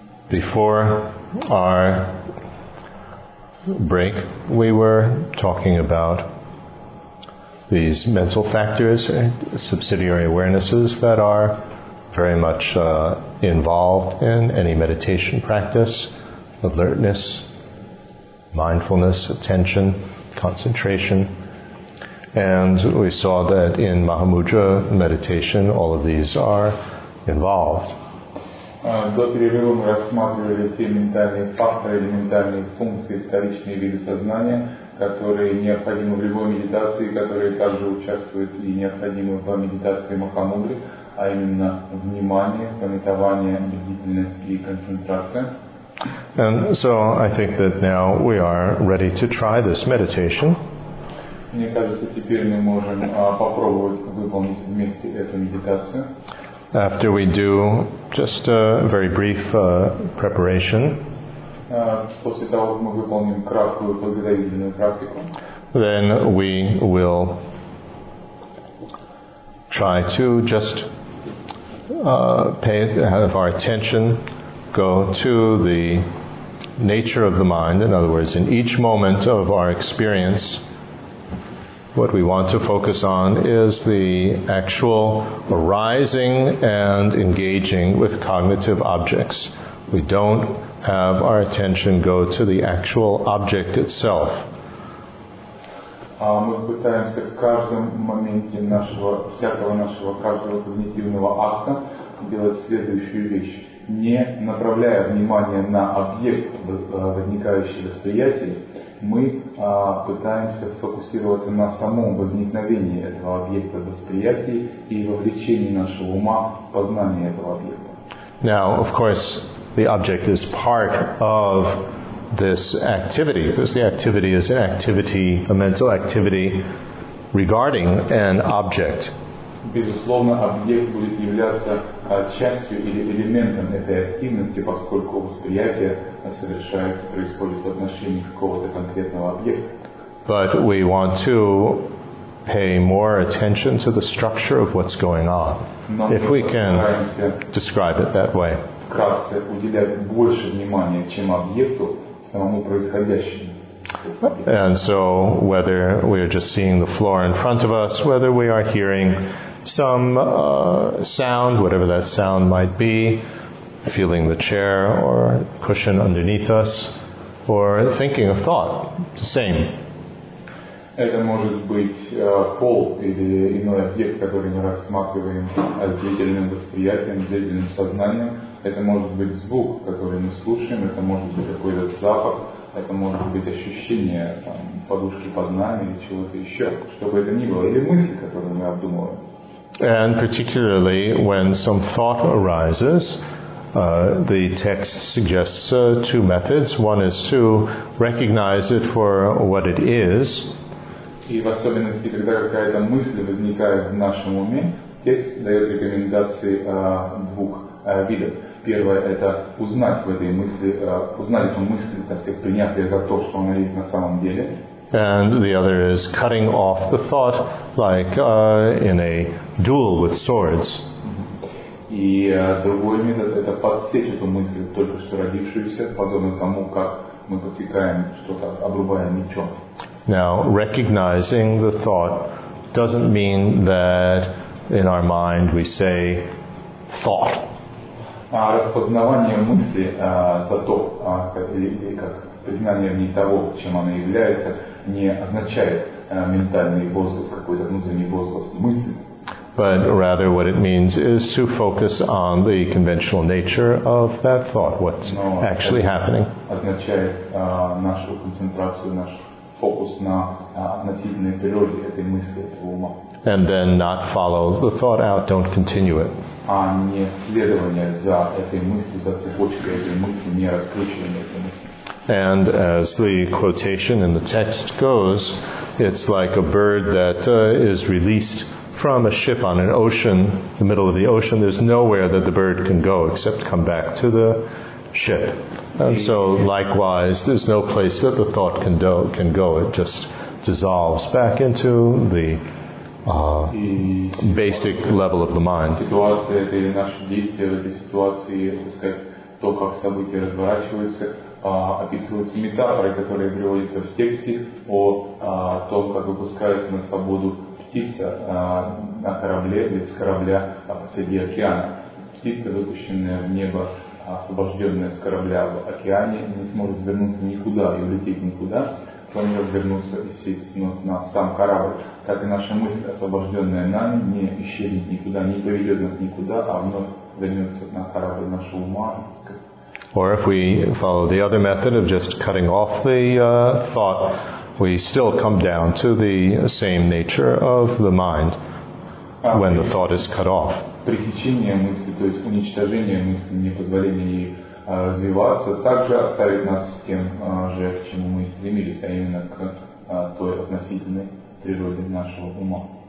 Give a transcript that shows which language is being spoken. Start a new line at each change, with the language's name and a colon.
English: before our break, we were talking about these mental factors, subsidiary awarenesses that are very much involved in any meditation practice, alertness, mindfulness, attention, concentration. And we saw that in Mahamudra meditation, all of these are involved.
Russian: До перерыва мы рассматривали те ментальные факторы, ментальные функции, вторичные виды сознания, которые необходимы в любой медитации, которые также участвуют и необходимы в медитации Махамудры, а именно внимание, памятование, бдительность и концентрация.
English: And so I think that now we are ready to try this meditation.
Russian: Мне кажется, теперь мы можем попробовать выполнить вместе эту медитацию.
English: After we do just a very brief preparation,
Russian: после того, как мы выполним краткую подготовительную практику,
English: then we will try to just have our attention go to the nature of the mind. In other words, in each moment of our experience, what we want to focus on is the actual arising and engaging with cognitive objects. We don't have our attention go to the actual object itself.
Russian: Мы пытаемся в каждом моменте всякого нашего каждого когнитивного акта делать следующую вещь. Не направляя внимание на объект возникающего восприятия, мы пытаемся фокусироваться на самом возникновении этого объекта восприятия и вовлечении нашего ума в познание этого объекта.
English: Now, of course, the object is part of this activity, because the activity is an activity, a mental activity regarding an object.
Russian: Безусловно, объект будет являться частью или элементом этой активности, поскольку восприятие совершается, происходит в отношении какого-то конкретного объекта.
English: But we want to pay more attention to the structure of what's going on, if we can describe it that way.
Russian: Вкратце, уделять больше внимания, чем объекту, самому происходящему.
English: And so, whether we are just seeing the floor in front of us, whether we are hearing some sound, whatever that sound might be, feeling the chair or cushion underneath us, or thinking a thought, the same.
Russian: Это может быть пол или иной объект, который мы рассматриваем зрительным восприятием, зрительным сознанием. Это может быть звук, который мы слушаем. Это может быть какой-то запах. Это может быть ощущение подушки под нами или чего-то еще, чтобы это ни было, или мысли, которые мы обдумываем.
English: And particularly when some thought arises, the text suggests two methods. One is to recognize it for what it is.
Russian: И в особенности, когда какая-то мысль возникает в нашем уме, текст дает рекомендации двух видов. Первое – это узнать в этой мысли, узнать эту мысль, так сказать, принять ее за то, что она есть на самом деле.
English: And the other is cutting off the thought, like in a duel with swords.
Russian: И другой метод – это подсечь эту мысль, только что родившуюся, подобно тому, как мы подсекаем что-то, обрубая мечом.
English: Now, recognizing the thought doesn't mean that in our mind we say thought.
Russian: Распознавание мысли за то, как признание в ней того, чем она является, не означает ментальный возглас, какой-то внутренний возглас мысли.
English: But rather what it means is to focus on the conventional nature of that thought, what's actually happening.
Russian: Означает нашу концентрацию, наш фокус на относительной природе этой мысли, этого ума.
English: And then not follow the thought out, don't continue it.
Russian: А не следование за этой мысли, за цепочкой этой мысли, не раскручивание этой мысли.
English: And as the quotation in the text goes, it's like a bird that is released from a ship on an ocean, the middle of the ocean. There's nowhere that the bird can go except come back to the ship. And so, likewise, there's no place that the thought can go. It just dissolves back into the basic level of the mind.
Russian: Ситуация или наши действия в этой ситуации, так сказать, то, как события разворачиваются, описываются метафоры, которые приводятся в тексте о том, как выпускаются на свободу птица на корабле или с корабля посреди океана. Птица, выпущенная в небо, освобожденная с корабля в океане, не сможет вернуться никуда и улететь никуда, кроме как вернуться и сесть на сам корабль. Так и наша мысль, освобожденная нами, не исчезнет никуда, не поведет нас никуда, а вновь вернется на корабль нашего ума.
English: Or if we follow the other method of just cutting off the thought, we still come down to the same nature of the mind when the thought is cut off.
Russian: Пресечение мысли, то есть уничтожение мысли, не позволение ей развиваться, также оставит нас с тем же, к чему мы стремились, а именно к той относительной природе нашего ума.